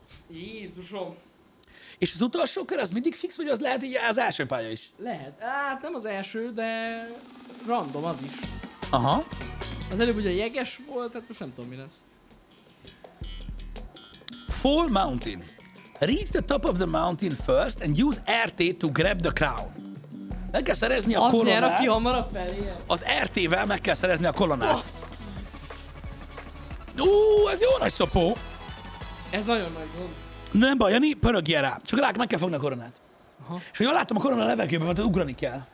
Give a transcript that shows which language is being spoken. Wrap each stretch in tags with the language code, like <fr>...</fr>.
<hu>Jézusom. És az utolsó kör az mindig fix, vagy az lehet így az első pálya is? Lehet. Hát nem az első, de... Random az is. Aha. Az előbb ugye jeges volt, tehát most nem tudom mi lesz.</hu> <en>Fall Mountain. Reach the top of the mountain first and use RT to grab the crown.</en> <hu>Meg kell szerezni a koronát. Az nyer, aki hamarabb felé. Az RT-vel meg kell szerezni a koronát. Ó, ez jó nagy szopó. Ez nagyon nagy gond. Nem baj, Jani, pörögjél rá. Csak rá, meg kell fogni a koronát. Aha. És ha jól látom, a korona a levegőben, mert ugrani kell.</hu>